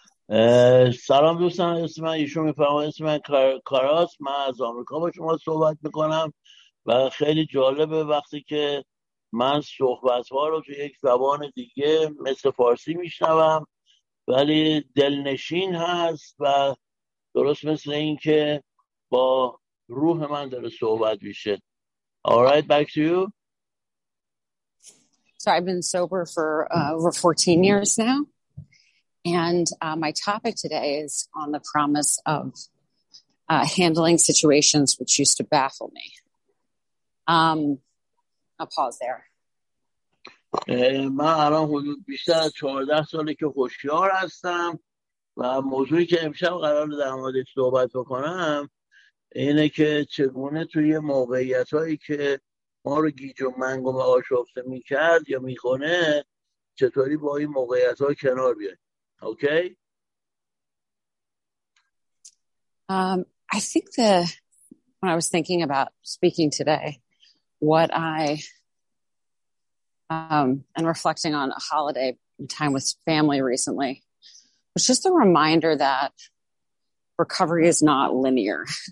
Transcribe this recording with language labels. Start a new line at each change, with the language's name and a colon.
Persian: Salam dostan, ismen ishun mifahman, ismen karas, man az amerika ba shoma sohbat mikonam va kheli jalebe vaqti ke من صحبت‌ها رو تو یک زبان دیگه مثل فارسی می‌شنوم، ولی دلنشین هست و درست مثل این که با روح من داره صحبت میشه.
English: All right, back to you. So I've been sober for over 14 years now, and my topic today is on the promise of handling situations which used to baffle me. I'll pause there.
Persian: من الان حدود بیشتر 14 ساله که هوشیار هستم و موضوعی که امشب قرار در موردش صحبت بکنم اینه که چگونه توی موقعیت هایی که ما رو گیج و منگ و آشفته میکرد یا میکنه چطوری با این موقعیت ها کنار بیاد. اوکی؟
English: I think when I was thinking about speaking today, and reflecting on a holiday time with family recently, it's just a reminder that recovery is not linear.